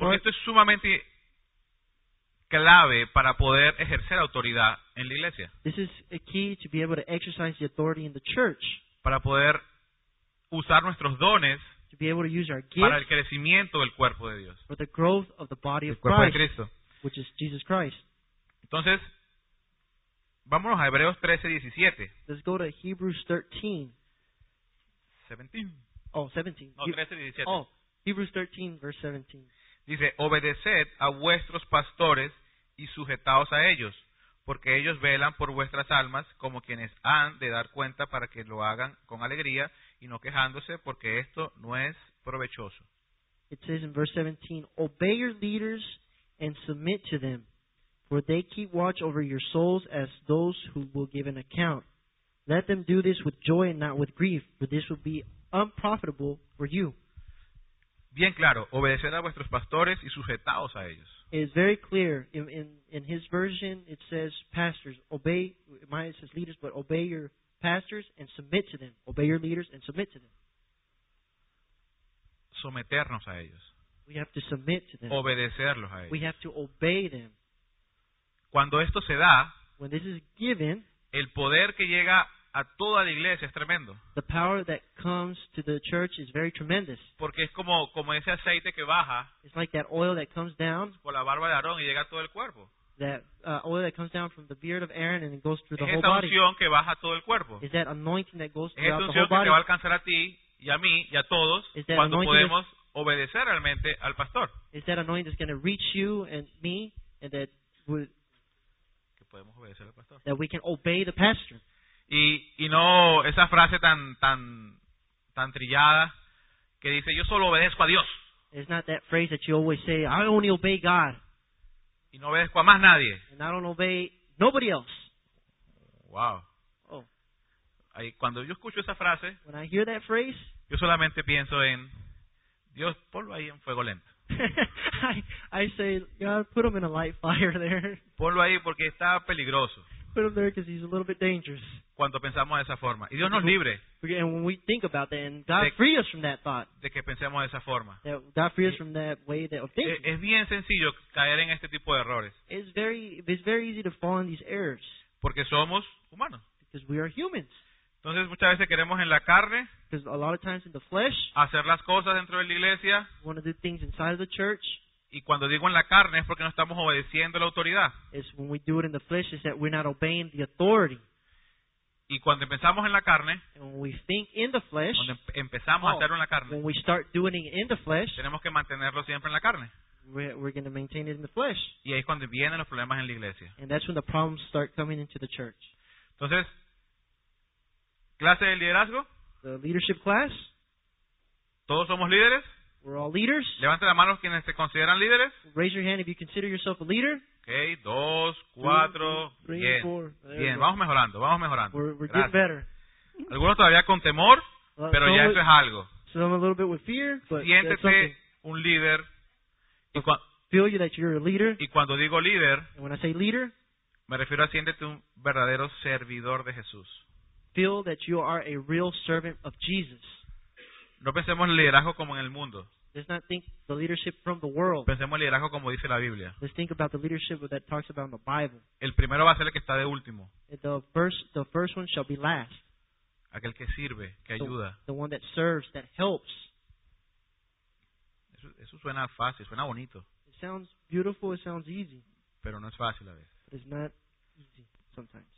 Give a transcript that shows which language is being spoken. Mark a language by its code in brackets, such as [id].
[es] Porque esto es sumamente clave para poder ejercer autoridad en la iglesia. [en] This is a key to be able to exercise the authority in the church. [es] Para poder usar nuestros dones, [en] to be able to use our gifts, [es] para el crecimiento del cuerpo de Dios. [en] For the growth of the body of Christ. [es] El cuerpo de Cristo. [en] Which is Jesus Christ. [es] Entonces, vámonos a Hebreos 13, 17. [en] Let's go to Hebrews 13. 17. Oh, 17. No, 13, 17. Oh, Hebrews 13, verse 17. [es] Dice, obedeced a vuestros pastores y sujetaos a ellos, porque ellos velan por vuestras almas como quienes han de dar cuenta para que lo hagan con alegría y no quejándose, porque esto no es provechoso. [en] It says in verse 17, obey your leaders and submit to them, for they keep watch over your souls as those who will give an account. Let them do this with joy and not with grief, for this will be unprofitable for you. [es] Bien claro, obedecer a vuestros pastores y sujetaos a ellos. [en] It is very clear. In his version, it says, pastors, obey, mine says leaders, but obey your pastors and submit to them. Obey your leaders and submit to them. [es] Someternos a ellos. [en] We have to submit to them. [es] Obedecerlos a ellos. [en] We have to obey them. [es] Cuando esto se da, [en] when this is given, [es] el poder que llega a toda la iglesia es tremendo. [en] The power that comes to the church is very tremendous. [es] Porque es como ese aceite que baja. [en] It's like that oil that comes down. [es] Por la barba de Aarón y llega a todo el cuerpo. [en] That oil that comes down from the beard of Aaron and it goes through the whole body. [es] Es esa unción que baja a todo el cuerpo. [en] Is that anointing that goes throughout whole body. [es] Es esa unción que va a alcanzar a ti y a mí y a todos cuando podemos obedecer realmente al pastor. [en] Is that anointing that's going to reach you and me and that would [es] podemos obedecer al pastor. [en] That we can obey the pastor. [es] Y no esa frase tan trillada que dice yo solo obedezco a Dios. [en] It's not that phrase that you always say I only obey God. [es] Y no obedezco a más nadie. [en] And I don't obey nobody else. Wow. Oh. [es] Ahí cuando yo escucho esa frase, [en] when I hear that phrase, [es] yo solamente pienso en Dios, ponlo ahí en fuego lento. [en] I say, God, put him in a light fire there. [es] Ponlo ahí porque está peligroso. [en] Put him there because he's a little bit dangerous. [es] Cuando pensamos de esa forma. Y Dios nos libre. [en] And when we think about that, and God free us from that thought. [es] De que pensemos de esa forma. [en] That God free us from that way of thinking. [es] Es bien sencillo caer en este tipo de errores. [en] It's very easy to fall in these errors. [es] Porque somos humanos. [en] Because we are humans. [es] Entonces muchas veces queremos en la carne [en] a lot of times in the flesh, [es] hacer las cosas dentro de la iglesia [en] want to do things inside of the church, [es] y cuando digo en la carne es porque no estamos obedeciendo la autoridad. [en] It's when we do it in the flesh is that we're not obeying the authority. [es] Y cuando empezamos en la carne [en] when we think in the flesh, [es] cuando empezamos a hacerlo en la carne [en] when we start doing it in the flesh, [es] tenemos que mantenerlo siempre en la carne. [en] We're going to maintain it in the flesh. [es] Y ahí es cuando vienen los problemas en la iglesia. [en] And that's when the problems start coming into the church. [es] Entonces, clase de liderazgo. [en] The leadership class. [es] Todos somos líderes. [en] We're all leaders. [es] Levanten la mano quienes se consideran líderes. [en] Raise your hand if you consider yourself a leader. Okay, 2, 4, [es] bien. Bien, vamos mejorando. [en] We're getting better. [es] Algunos todavía con temor, pero ya eso es algo. [en] So I'm a little bit with fear, but [es] siéntete [en] that's [es] un líder. [en] Feel you that you're a leader. [es] Y cuando digo líder, [en] and when I say leader, [es] me refiero a siéntete un verdadero servidor de Jesús. [en] feel that you are a real servant of Jesus. [es] No pensemos en liderazgo como en el mundo. [en] Let's not think the leadership from the world. [es] Pensemos en liderazgo como dice la Biblia. [en] Let's think about the leadership that talks about in the Bible. [es] El primero va a ser el que está de último. [en] The first one shall be last. [es] Aquel que sirve, que ayuda. [en] The one that serves, that helps. [es] Eso suena fácil, suena bonito. [en] It sounds beautiful, it sounds easy. [es] Pero no es fácil a veces. [en] But it's not easy sometimes.